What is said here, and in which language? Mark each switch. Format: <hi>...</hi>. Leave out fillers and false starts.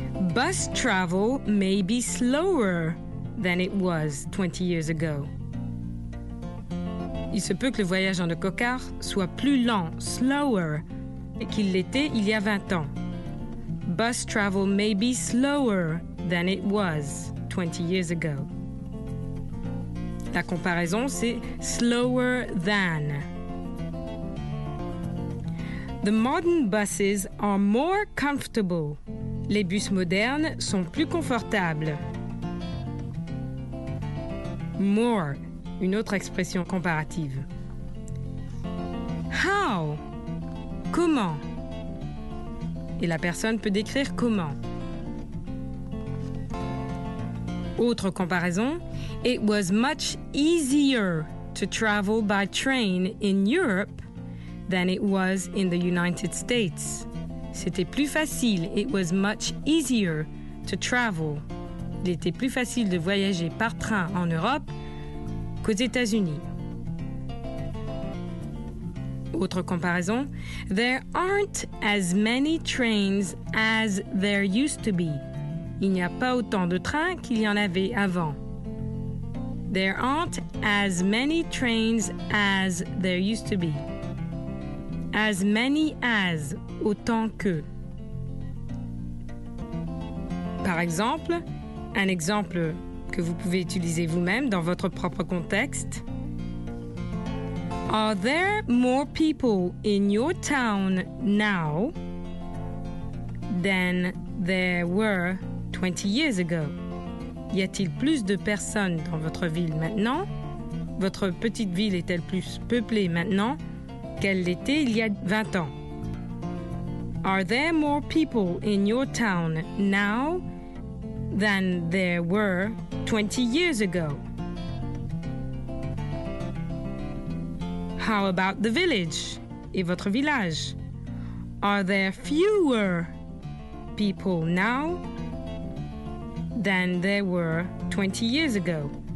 <en>« Bus travel may be slower than it was 20 years ago ».</en> <fr>Il se peut que le voyage en autocar soit plus lent, « slower », qu'il l'était il y a 20 ans.</fr> <en>Bus travel may be slower than it was 20 years ago.</en> <fr>La comparaison, c'est</fr> <en>slower than. The modern buses are more comfortable.</en> <fr>Les bus modernes sont plus confortables. More, une autre expression comparative. How? Comment? Et la personne peut décrire comment. Autre comparaison,</fr> <en>it was much easier to travel by train in Europe than it was in the United States.</en> <fr>C'était plus facile.</fr> <en>It was much easier to travel.</en> <fr>Il était plus facile de voyager par train en Europe qu'aux États-Unis. Autre comparaison,</fr> <en>there aren't as many trains as there used to be.</en> <fr>Il n'y a pas autant de trains qu'il y en avait avant.</fr> <en>There aren't as many trains as there used to be. As many as,</en> <fr>autant que. Par exemple, un exemple que vous pouvez utiliser vous-même dans votre propre contexte.</fr> <en>Are there more people in your town now than there were 20 years ago?</en> <fr>Y a-t-il plus de personnes dans votre ville maintenant? Votre petite ville est-elle plus peuplée maintenant qu'elle l'était il y a 20 ans?</fr> <en>Are there more people in your town now than there were 20 years ago? How about the village?</en> <fr>Et votre village?</fr> <en>Are there fewer people now than there were 20 years ago?</en>